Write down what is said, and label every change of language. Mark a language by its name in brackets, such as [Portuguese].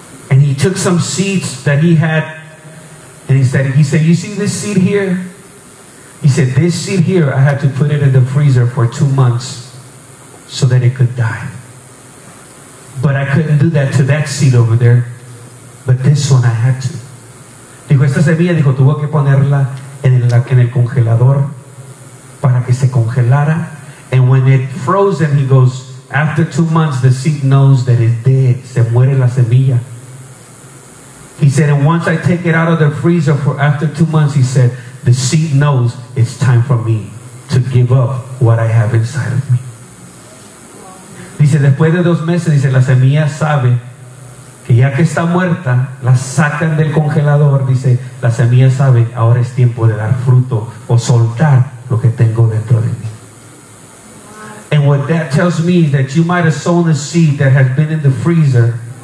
[English] And he took some seeds that he had, and he said, you see this seed here? He said, this seed here, I had to put it in the freezer for 2 months so that it could die. But I couldn't do that to that seed over there. But this one I had to. [Spanish] Dijo, esta semilla, dijo, tuvo que ponerla en el congelador para que se congelara. [English] And when it frozen, he goes, after 2 months, the seed knows that it's dead. [Spanish] Se muere la semilla. [English] He said, and once I take it out of the freezer for after 2 months, he said, the seed knows it's time for me to give up what I have inside of me. [Spanish] Dice, después de 2 meses, dice, la semilla sabe que ya que está muerta, la sacan del congelador. Dice, la semilla sabe, ahora es tiempo de dar fruto o soltar lo que tengo dentro de mí. [English] And what that tells me is that you might have sown a seed that has been in the freezer.